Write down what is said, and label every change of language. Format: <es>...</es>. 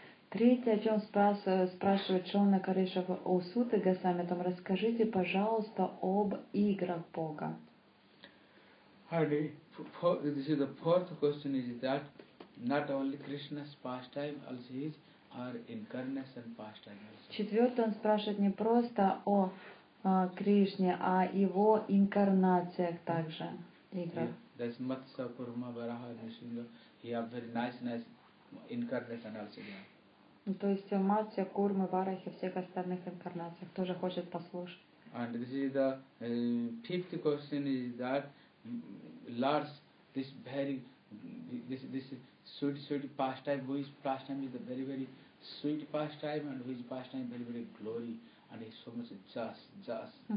<ru>Третье, о чем спрашивает Шрила Каришава у Суты Госвами, там расскажите, пожалуйста, об играх Бога.</ru> <en>This is the fourth question is that not only Krishna's pastime also his or incarnation pastime also.</en> <ru>Четвертое, он спрашивает не просто о Кришне, а его инкарнациях также.</ru> <en>That's Matsya Purma Varaha Nishinga. He have very nice incarnation also there.</en> <ru>То есть Матсья, Курмы, Варахи, всех остальных инкарнациях тоже хочет послушать.</ru> <en>And this is the fifth question is that Lars, this very this sweet pastime, which pastime is the very very sweet pastime and which pastime very very glory and is so much just.</en>